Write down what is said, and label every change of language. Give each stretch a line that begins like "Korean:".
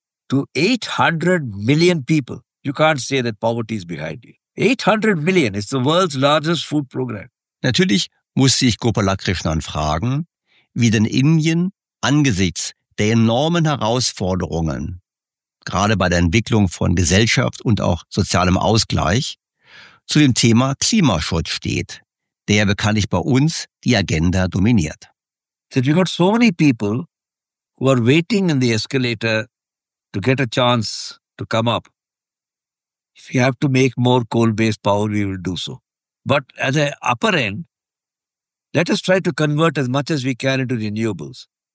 English: To 800 million people, you can't say that poverty is behind you. 800 million is the world's largest food program.
German: Natürlich muss sich Gopala Krishnan fragen, wie denn Indien angesichts der enormen Herausforderungen, gerade bei der Entwicklung von Gesellschaft und auch sozialem Ausgleich, zu dem Thema Klimaschutz steht, der bekanntlich bei uns die Agenda dominiert.
English: That we got so many people who are waiting in the escalator to get a chance to come up. If we have to make more coal-based power, we will do so. But at the upper end, let us try to convert as much as we can into renewables.